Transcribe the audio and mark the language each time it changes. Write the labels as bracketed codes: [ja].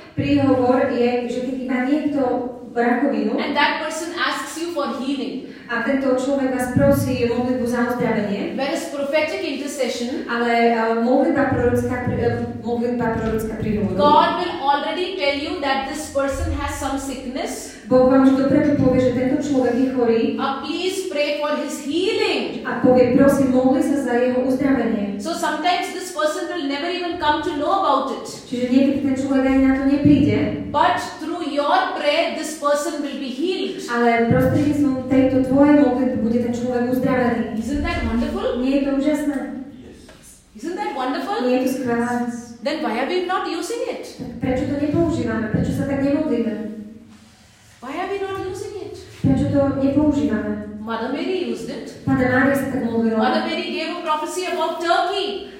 [sk] príhovor je, že keď má niekto rakovinu, [en] and that person asks you for healing, [sk] a tento človek vás prosí o modlitbu za uzdravenie. [en] Where is prophetic intercession? [sk] Ale modlitba prorocká príhovor. [en] God will already tell you that this person has some sickness. [sk] Boh vám už dopredu povie, že tento človek je chorý. [en] A please pray for his healing. [sk] A povie, prosím, modli sa za jeho uzdravenie. [en] So sometimes this person will never even come to know about it. [sk] Čiže niekedy ten človek ani na to nepríde. [en] But through your prayer, this person will be healed. [sk] Ale prostredníctvom tejto tvojej modlitby bude ten človek uzdravený. [en] Isn't that wonderful? [sk] Nie je to úžasné? [en] Yes. Isn't that wonderful? [sk] Nie je to skvelé? [en] Then why are we not using it? [sk] Prečo to nepoužívame? Prečo sa tak nemodlíme? [en] Why are we not using it? [sk] Prečo to nepoužívame? [en] Mother Mary used it. [sk] Pana Mária sa tak modlila. [en] Mother Mary gave a prophecy about Turkey.